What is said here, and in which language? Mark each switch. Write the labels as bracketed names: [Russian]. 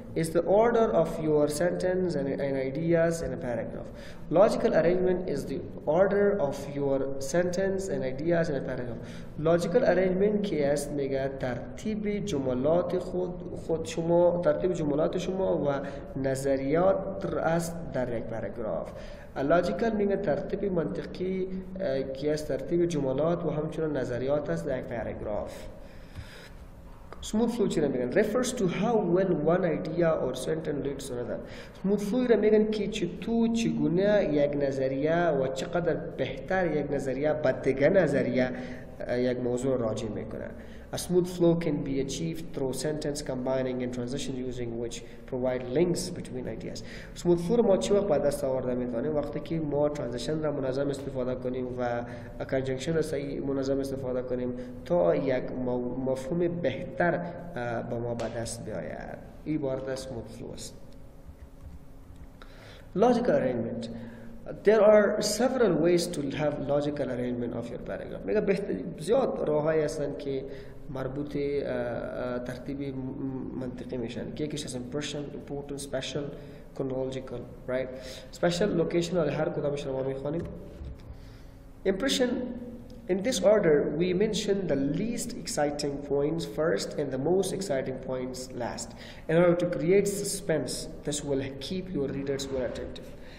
[English] It's the order of your sentence and ideas in a paragraph. Logical arrangement is the order of your sentence and ideas in a paragraph. [Persian] Logical arrangement که است میگه ترتیب جملات خود شما ترتیب جملات شما و نظریات است در یک پاراگراف. Logical میگه ترتیب منطقی که است ترتیب جملات و همچنین نظریات است در یک پاراگراف. [English] Smooth flow [Persian] چی را میگن؟ [English] Refers to how well one idea or sentence leads to another. [Persian] Smooth flow را میگن که چطور چگونه یک نظریه و چقدر بهتر یک نظریه با دیگه نظریه یک موضوع راجع میکنه. [English] A smooth flow can be achieved through sentence combining and transition using which provide links between ideas. [Persian] Smooth flow را ما چی وقت با دست آورده میتوانیم؟ وقتی که ما transition را منظم استفاده کنیم و conjunction را صحیح منظم استفاده کنیم تا یک مفهوم بهتر با ما با دست بیاید. ای بار دست smooth flow است. [English] Logical arrangement. There are several ways to have logical arrangement of your paragraph. [Persian] میگه بهتر زیاد راههایی هستند که مربوط به ترتیب منطقی میشن. یکیش از [English] impression, important, special, chronological, right? Special location or [Persian] هر کدامش رو ما میخوانیم. [English] Impression. In this order, we mention the least exciting points first and the most exciting points last. In order to create suspense, this will keep your readers more attentive.